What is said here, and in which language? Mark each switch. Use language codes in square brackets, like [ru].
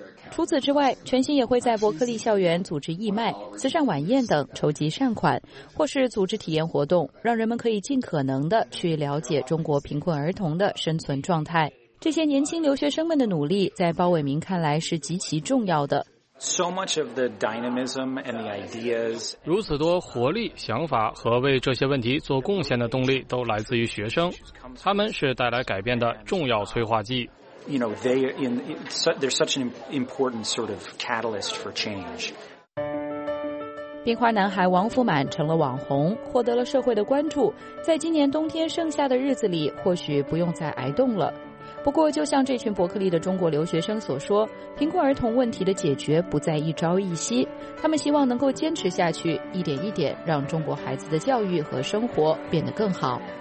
[zh] 除此之外，全新也会在伯克利校园组织义卖、慈善晚宴等，筹集善款，或是组织体验活动，让人们可以尽可能的去了解中国贫困儿童的生存状态。这些年轻留学生们的努力，在包伟明看来是极其重要的。 [en] So much of the dynamism and the ideas. [zh] 如此多活力、想法和为这些问题做贡献的动力，都来自于学生，他们是带来改变的重要催化剂。 [en] You know, they're such an important sort of catalyst for change. [zh] 冰花男孩王福满成了网红，获得了社会的关注。在今年冬天剩下的日子里，或许不用再挨冻了。不过，就像这群伯克利的中国留学生所说，贫困儿童问题的解决不在一朝一夕。他们希望能够坚持下去，一点一点让中国孩子的教育和生活变得更好。